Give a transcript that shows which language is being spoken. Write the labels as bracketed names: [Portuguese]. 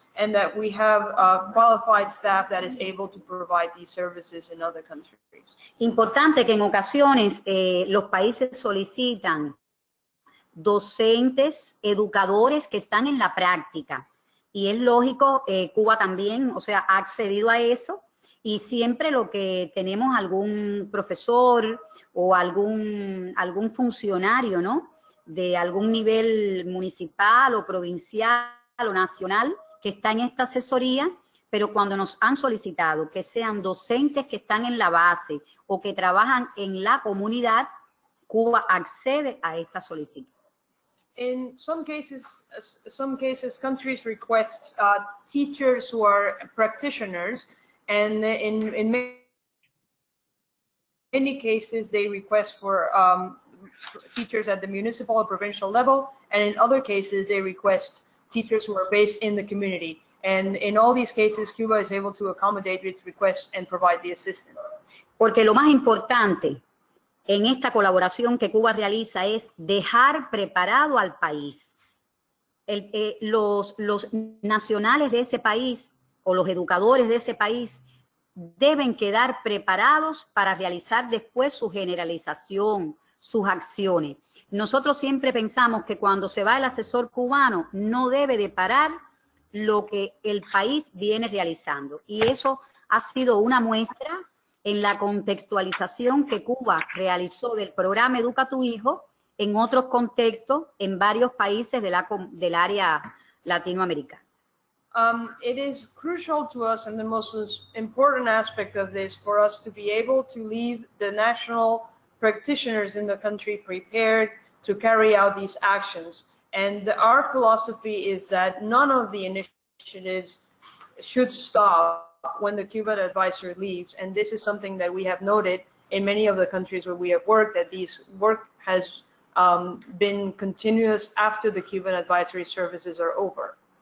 [English] and that we have qualified staff that is able to provide these services in other countries. [Spanish] Importante que en ocasiones los países solicitan docentes, educadores que están en la práctica. Y es lógico, Cuba también, o sea, ha accedido a eso. Y siempre lo que tenemos algún profesor o algún funcionario, ¿no? De algún nivel municipal o provincial o nacional que está en esta asesoría, pero cuando nos han solicitado que sean docentes que están en la base o que trabajan en la comunidad, Cuba accede a esta solicitud. [English] In some cases, countries request teachers who are practitioners, and in many cases, they request for teachers at the municipal or provincial level, and in other cases, they request teachers who are based in the community. And in all these cases, Cuba is able to accommodate its requests and provide the assistance. [Spanish] Porque lo más importante en esta colaboración que Cuba realiza es dejar preparado al país. Los nacionales de ese país o los educadores de ese país deben quedar preparados para realizar después su generalización, sus acciones. Nosotros siempre pensamos que cuando se va el asesor cubano no debe de parar lo que el país viene realizando. Y eso ha sido una muestra en la contextualización que Cuba realizó del programa Educa Tu Hijo en otros contextos, en varios países del área latinoamericana. [English] It is crucial to us, and the most important aspect of this, for us to be able to leave the national practitioners in the country prepared to carry out these actions. And our philosophy is that none of the initiatives should stop when the Cuban advisor leaves, and this is something that we have noted in many of the countries where we have worked, that this work has been continuous after the Cuban advisory services are over.